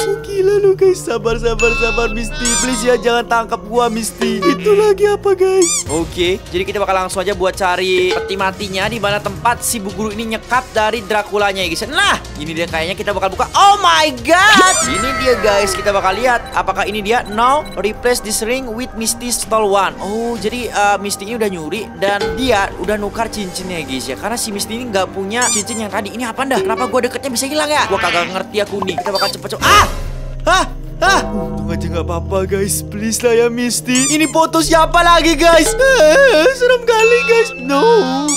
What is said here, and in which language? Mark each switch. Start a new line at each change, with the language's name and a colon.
Indonesian: Oh, gila lu guys, sabar Misty. Please ya, jangan tangkap gua Misty. Itu lagi apa guys? Oke, jadi kita bakal langsung aja buat cari peti matinya di mana tempat si buguru ini nyekap dari Draculanya ya guys. Nah, ini dia kayaknya kita bakal buka.
English: Oh my god!
Indonesian: Ini dia guys, kita bakal lihat apakah ini dia.
English: Now replace this ring with Misty stole one.
Indonesian: Oh, jadi Misty ini udah nyuri dan dia udah nukar cincinnya guys ya. Karena si Misty ini enggak punya cincin yang tadi. Ini apa dah? Kenapa gua deketnya bisa hilang ya? Gua kagak ngerti aku nih. Kita bakal cepet-cepet. Ah! Hah! Untung aja gak apa-apa guys, please lah ya Misty. Ini foto siapa lagi guys? Serem kali guys. No.